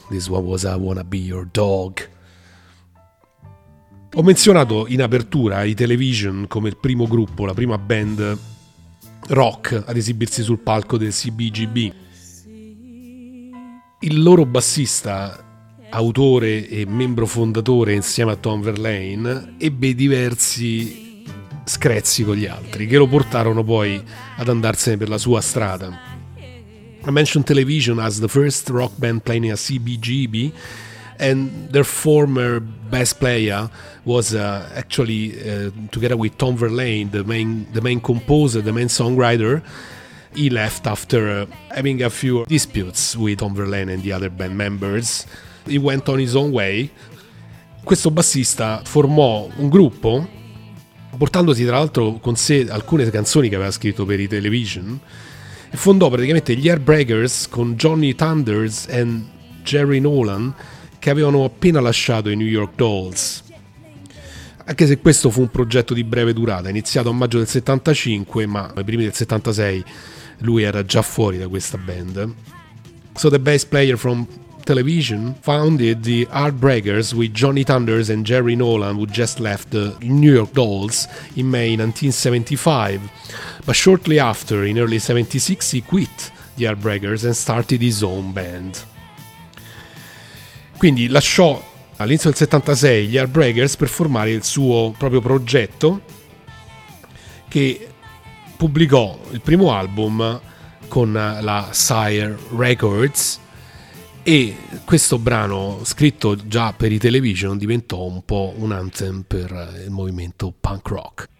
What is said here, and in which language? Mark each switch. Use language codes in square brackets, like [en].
[en] This one was I Wanna Be Your Dog. [it] Ho menzionato in apertura i Television come il primo gruppo, la prima band rock ad esibirsi sul palco del CBGB. Il loro bassista, autore e membro fondatore insieme a Tom Verlaine, ebbe diversi screzzi con gli altri che lo portarono poi ad andarsene per la sua strada. [en] I mentioned Television as the first rock band playing a CBGB, and their former bass player was together with Tom Verlaine, the main composer, the main songwriter. He left after having a few disputes with Tom Verlaine and the other band members. He went on his own way. [it] Questo bassista formò un gruppo, portandosi tra l'altro con sé alcune canzoni che aveva scritto per i Television, e fondò praticamente gli Heartbreakers con Johnny Thunders e Jerry Nolan, che avevano appena lasciato i New York Dolls. Anche se questo fu un progetto di breve durata, iniziato a maggio del 75, ma ai primi del 76 lui era già fuori da questa band. [en] So the bass player from Television founded the Heartbreakers with Johnny Thunders and Jerry Nolan, who just left the New York Dolls in May 1975. But shortly after, in early 76, he quit the Heartbreakers and started his own band. [it] Quindi lasciò all'inizio del 76 gli Heartbreakers per formare il suo proprio progetto, che pubblicò il primo album con la Sire Records. E questo brano, scritto già per i Television, diventò un po' un anthem per il movimento punk rock.